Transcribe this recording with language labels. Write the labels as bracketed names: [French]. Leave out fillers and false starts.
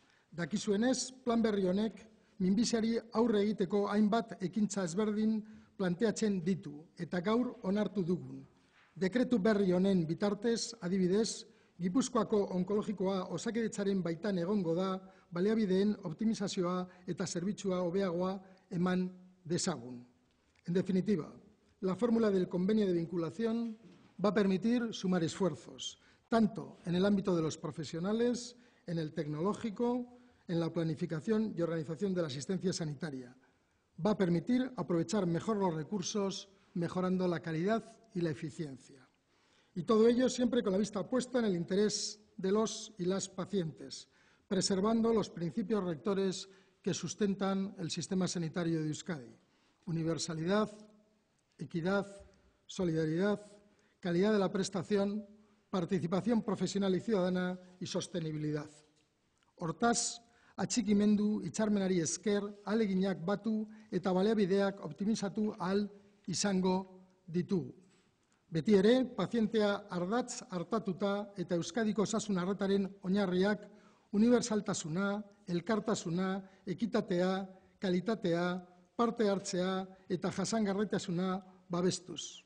[Basque] Dakizuenez, plan berri honek minbiziari aurre egiteko hainbat ekintza ezberdin planteatzen ditu eta gaur onartu dugun. Dekretu berri honen bitartez, adibidez, Gipuzkoako Onkologikoa Osakidetzaren baitan egongo da baliabideen optimizazioa eta zerbitzua hobeagoa eman dezagun. [Spanish] En definitiva, la fórmula del convenio de vinculación va a permitir sumar esfuerzos, tanto en el ámbito de los profesionales, en el tecnológico, en la planificación y organización de la asistencia sanitaria. Va a permitir aprovechar mejor los recursos, mejorando la calidad y la eficiencia. Y todo ello siempre con la vista puesta en el interés de los y las pacientes, preservando los principios rectores que sustentan el sistema sanitario de Euskadi: universalidad, equidad, solidaridad, calidad de la prestación, participación profesional y ciudadana y sostenibilidad. [Basque] Hortaz, atxikimendu, itxarmenari esker, aleginak batu eta baliabideak optimizatu ahal izango ditugu. Beti ere, pazientea ardatz hartatuta eta Euskadiko osasun arretaren oinarriak unibertsaltasuna, elkartasuna, ekitatea, kalitatea, parte hartzea eta jasangarritasuna babestuz.